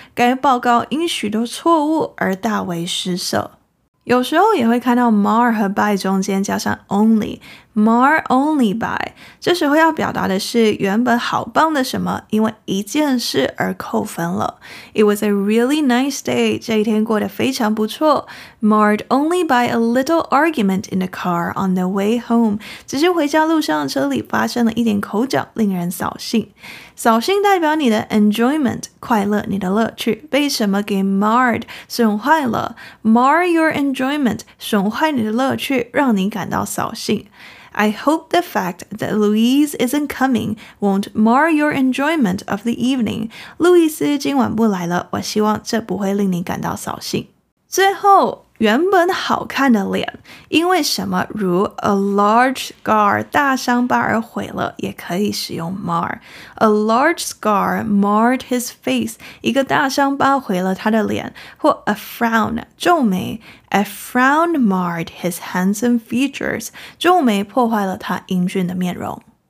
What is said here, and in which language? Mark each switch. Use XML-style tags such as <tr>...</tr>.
<zh>该报告因许多错误而大为失色。有时候也会看到 mar 和 by 中间加上 only，</zh> <en>mar only by。</en> <zh>这时候要表达的是原本好棒的什么，因为一件事而扣分了。</zh> <en>It was a really nice day.</en> <zh>这一天过得非常不错。</zh> <en>Marred only by a little argument in the car on the way home.</en> <zh>只是回家路上车里发生了一点口角，令人扫兴。扫兴代表你的 enjoyment， 快乐，你的乐趣被什么给 marred， 损坏了。</zh> <en>Mar your enjoyment，</en> <zh>损坏你的乐趣，让你感到扫兴。</zh> <en>I hope the fact that Louise isn't coming won't mar your enjoyment of the evening.</en> <zh>路易斯今晚不来了，我希望这不会令你感到扫兴。最后，原本好看的脸，因为什么如</zh> <en>a large scar</en> <zh>大伤疤而毁了，也可以使用 mar。</zh> <en>A large scar marred his face，</en> <zh>一个大伤疤毁了他的脸，</zh> <en>或 a frown 皱眉 ，a frown marred his handsome features，</en> <zh>皱眉破坏了他英俊的面容。</zh>